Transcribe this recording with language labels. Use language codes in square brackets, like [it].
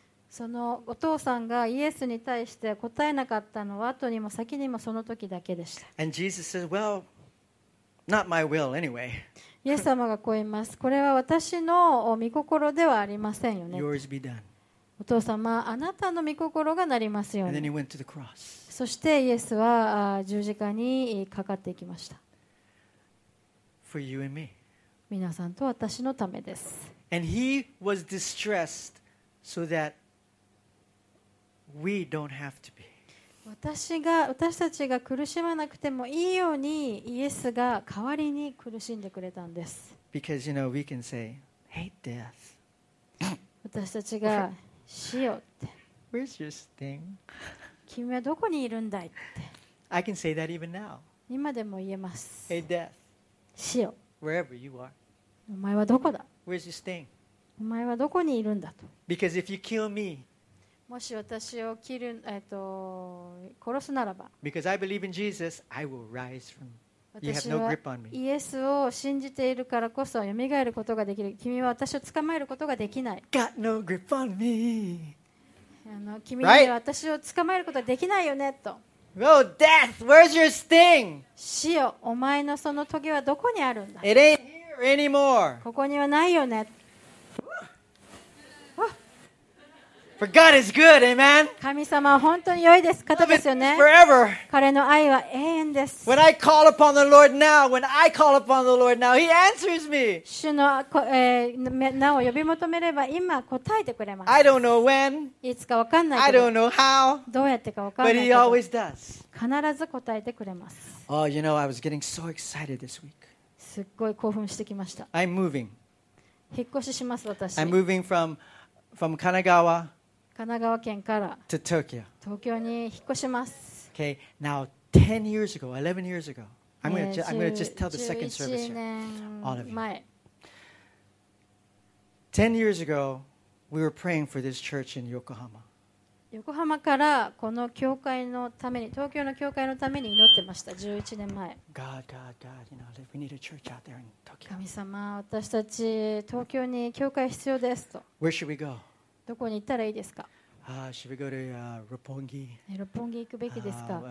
[ja] そのお父さんがイエスに対して答えなかったのは後にも先にもその時だけでした。 [en] And Jesus says, well, not my will anyway. [ja] イエス様がこう言います。これは私の御心ではありませんよね。 [en] Yours be done. [ja] お父様、あなたの御心がなりますように。 [en] And then he went to the cross. [ja] そしてイエスは十字架にかかっていきました。 [en] For you and me. [ja] 皆さんと私のためです。 [en] And he was distressed so that we don't have to be. [ja] 私たちが苦しまなくてもいいようにイエスが代わりに苦しんでくれたんです。 [en] Because you know we can say, hate death. [ja] 私たちが死よって。 [en] Where's your sting? [ja] 君はどこにいるんだいって。 [en] I can say that even now. [ja] 今でも言えます。 [en] Hate death. [ja] 死よ。 [en] Wherever you are. [ja] お前はどこだ? [en] Where's your sting? [ja] お前はどこにいるんだと。 [en] Because if you kill me, [ja] もし私を殺すならば。 [en] Because I believe in Jesus, I will rise from. You have no grip on me. [ja] 私はイエスを信じているからこそ蘇ることができる。君は私を捕まえることができない。 [en] Got no grip on me. [ja] 君は私を捕まえることができないよねと。 [en] Oh, death, where's your sting? [ja] 死よ、お前のその棘はどこにあるんだ? [en] It ain't here anymore. [ja] ここにはないよね。 [en] For God is good, amen. [ja] 神様は本当に良いです。方ですよね。 [en] Forever. [ja] 彼の愛は永遠です。 [en] When I call upon the Lord now, when I call upon the Lord now, He answers me. [ja] 主の名を呼び求めれば今答えてくれます。 [en] I don't know when. [ja] いつかわかんないけ [en] ど。I don't know how. [ja] どうやってかわかんないけど。 [en] But He always does. [ja] 必ず答えてくれます。 [en] Oh, you know, I was getting so excited this week. [ja] すっごい興奮してきました。 [en] I'm moving. [ja] 引っ越しします私。 [en] I'm moving from Kanagawa. [ja] 神奈川県から [en] to Tokyo. [ja] 東京に引っ越します。 [en] Okay, now 10 years ago, 11 years ago, I'm gonna just tell the second service here. All of you. 10 years ago, we were praying for this church in Yokohama. [ja] 横浜からこの教会のために、東京の教会のために祈ってました。 11年前。 [en] God, you know, we need a church out there in Tokyo. [ja] 神様、私たち東京に教会必要ですと。 [en] Where should we go? [ja] どこに行ったらいいですか。 [en] Should we go to Roppongi? [ja] 六本木行くべきですか。